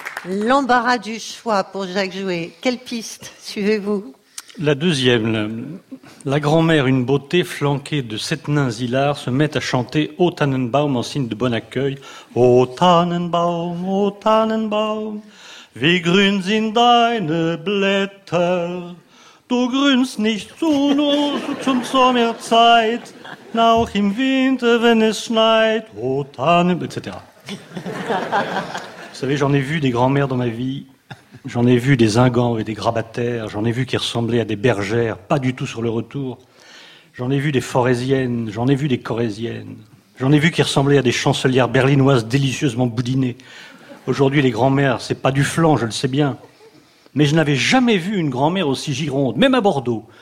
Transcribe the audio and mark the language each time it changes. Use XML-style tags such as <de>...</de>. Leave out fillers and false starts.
<fr>L'embarras du choix pour Jacques Jouet. Quelle piste suivez-vous ? La deuxième. La grand-mère, une beauté flanquée de 7 nains hilars, se met à chanter « O Tannenbaum » en signe de bon accueil.</fr> <de>« O Tannenbaum, O Tannenbaum, wie grün sind deine Blätter, du grünst nicht zu nur zum Sommerzeit, auch im Winter, wenn es schneit, O Tannenbaum, etc. »</de> <fr>Vous savez, j'en ai vu des grand-mères dans ma vie. J'en ai vu des zingans et des grabataires. J'en ai vu qui ressemblaient à des bergères, pas du tout sur le retour. J'en ai vu des forésiennes, j'en ai vu des corésiennes. J'en ai vu qui ressemblaient à des chancelières berlinoises délicieusement boudinées. Aujourd'hui, les grand-mères, c'est pas du flan, je le sais bien. Mais je n'avais jamais vu une grand-mère aussi gironde, même à Bordeaux.</fr>